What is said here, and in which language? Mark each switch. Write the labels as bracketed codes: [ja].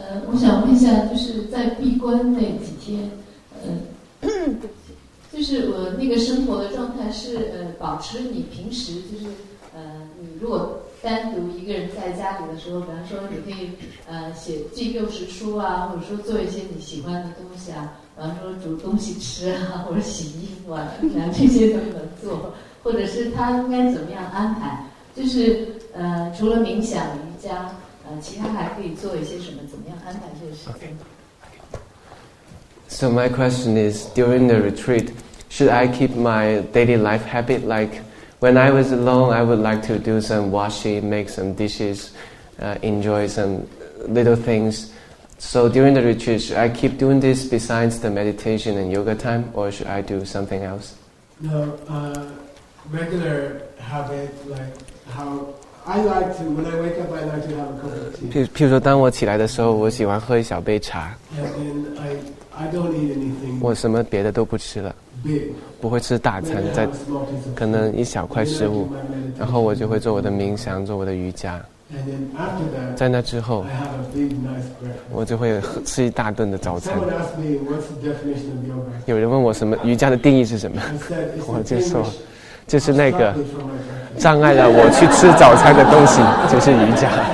[zh] 我想问一下，就是在闭关那几天，就是我那个生活的状态是保持你平时就是你如果单独一个人在家里的时候，比方说你可以写记六十书啊，或者说做一些你喜欢的东西啊，比方说煮东西吃啊，或者洗衣服啊，然后这些都能做，或者是他应该怎么样安排？就是除了冥想、瑜伽，其他还可以做一些什么？怎么样安排这个时间？ [en] Okay. So my question is, during the retreat, should I keep my daily life habit? Like, when I was alone, I would like to do some washing, make some dishes, enjoy some little things. So during the retreat, should I keep doing this besides the meditation and yoga time, or should I do something else? No, regular habit, like how... I like to, when I wake up, I like to have a cup of tea. [zh] 譬如说当我起来的时候我喜欢喝一小杯茶。 [en] And then I don't eat anything. [zh] 我什么别的都不吃了。 [en] Big. [zh] 不会吃大餐，再可能一小块食物。然后我就会做我的冥想，做我的瑜伽。 [en] And then after that, [zh] 在那之后 [en] I have a big, nice breakfast. [zh] 我就会吃一大顿的早餐。 [en] Someone asked me, what's the definition of yoga? [zh] 有人问我什么瑜伽的定义是什么。我就说就是那个障碍了我去吃早餐的东西，就是瑜伽。